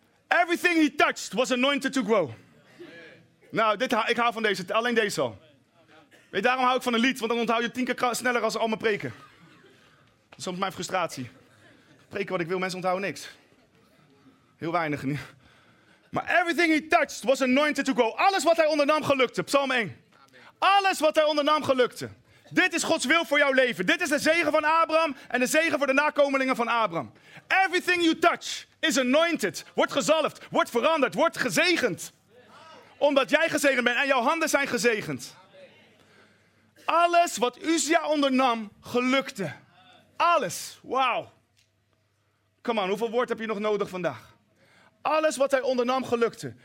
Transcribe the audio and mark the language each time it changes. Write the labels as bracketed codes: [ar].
[en] Everything he touched was anointed to grow. [nl] Nou, ik hou van deze, alleen deze al. Weet, daarom hou ik van een lied, want dan onthoud je 10 keer sneller als al mijn preken. Dat is soms mijn frustratie. Preken wat ik wil, mensen onthouden niks. Heel weinig. [en] Maar everything he touched was anointed to grow. [nl] Alles wat hij ondernam gelukte. Psalm 1. Alles wat hij ondernam gelukte. Dit is Gods wil voor jouw leven. Dit is de zegen van Abraham en de zegen voor de nakomelingen van Abraham. [en] Everything you touch is anointed. [nl] Wordt gezalfd, wordt veranderd, wordt gezegend. Omdat jij gezegend bent en jouw handen zijn gezegend. Alles wat Uzia ondernam, gelukte. Alles. Wauw. [en] Come on, [nl] hoeveel woord heb je nog nodig vandaag? Alles wat hij ondernam, gelukte.